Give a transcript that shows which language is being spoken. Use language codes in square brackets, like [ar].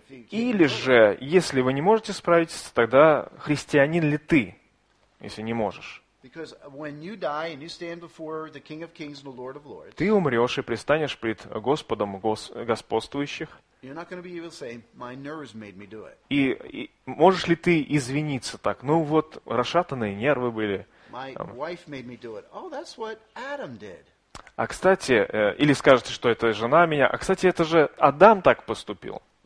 [ru] Или же, если вы не можете справиться, тогда христианин ли ты, если не можешь? [en] Because when you die and you stand before the King of Kings and the Lord of Lords, [ru] ты умрёшь и предстанешь пред Господом господствующих. [en] You're not going to be able to say, "My nerves made me do it." [ru] И можешь ли ты извиниться так? Ну вот расшатанные нервы были. [en] My wife made me do it. Oh, that's what Adam did. [ru] А кстати, или скажете, что это жена меня? А кстати, это же Адам так поступил.